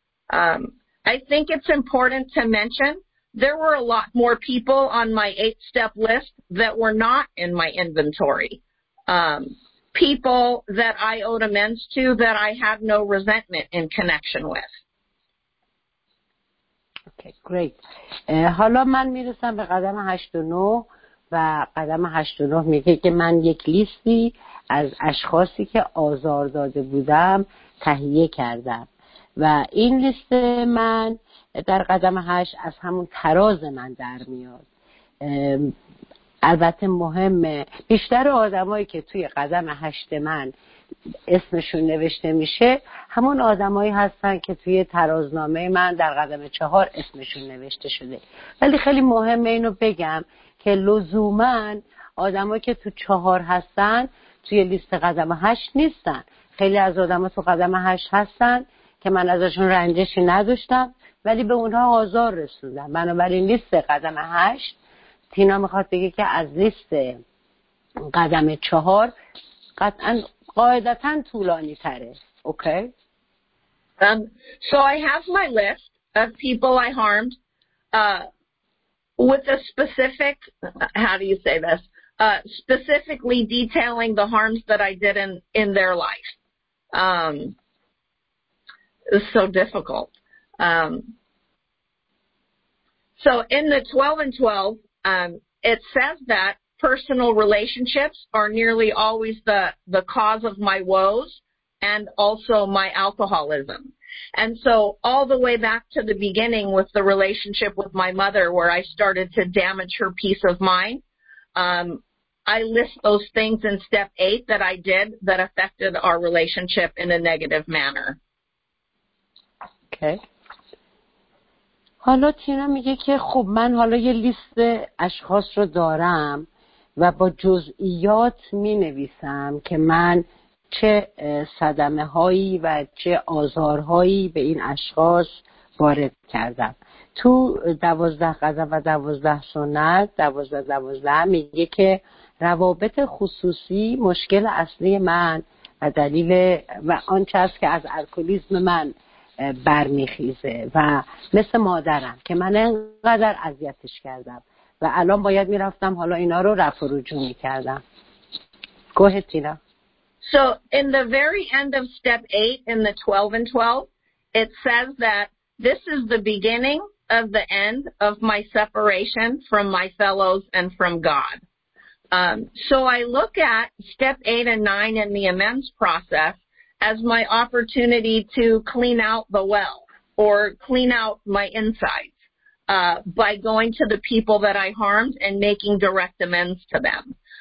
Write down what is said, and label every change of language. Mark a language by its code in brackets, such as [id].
[en] I think it's important to mention there were a lot more people on my 8-step list that were not in my inventory. People that I owed amends to that I had no resentment in connection with. Okay, great. [fa] حالا من میرسم به قدم 8 و 9 و قدم 8 و 9 میگه که من یک لیستی از اشخاصی که آزار داده بودم تهیه کردم و این لیست من در قدم 8 از همون تراز من در میاد. البته مهمه بیشتر آدمایی که توی قدم 8 من اسمشون نوشته میشه همون آدمایی هستن که توی ترازنامه من در قدم 4 اسمشون نوشته شده، ولی خیلی مهمه اینو بگم که لزوماً آدمایی که تو 4 هستن توی لیست قدم 8 نیستن. خیلی از آدما تو قدم 8 هستن که من ازشون رنجشی نداشتم ولی به اونها آزار رسوندم. بنابراین لیست قدم 8 تینا میخواد بگه که از لیست قدم 4 قاعدتا طولانی تره. اوکی؟ [en] So I have my list of people I harmed with a specific, how do you say this, specifically detailing the harms that I did in their life. It's so difficult. So in the 12 and 12, it says that personal relationships are nearly always the cause of my woes and also my alcoholism. And so all the way back to the beginning with the relationship with my mother where I started to damage her peace of mind, I list those things in step 8 that I did that affected our relationship in a negative manner. Okay. [fa] حالا تینا میگه که خب من حالا یه لیست اشخاص رو دارم و با جزئیات می نویسم که من چه صدمه هایی و چه آزارهایی به این اشخاص وارد کردم. تو 12 قدم و 12 سنت 12-12 میگه که روابط خصوصی مشکل اصلی من و دلیل و آنچه هست که از الکلیزم من برمیخیزه و مثل مادرم که من انقدر اذیتش کردم و الان باید میرفتم حالا اینا رو رفع و رجوع میکردم. [en] Go ahead, Tina. So in the very end of step 8 in the 12 and 12, it says that this is the beginning of the end of my separation from my fellows and from God. So I look at step 8 and 9 in the amends process as my opportunity to clean out the well or clean out my insides by going to the people that I harmed and making direct amends to them.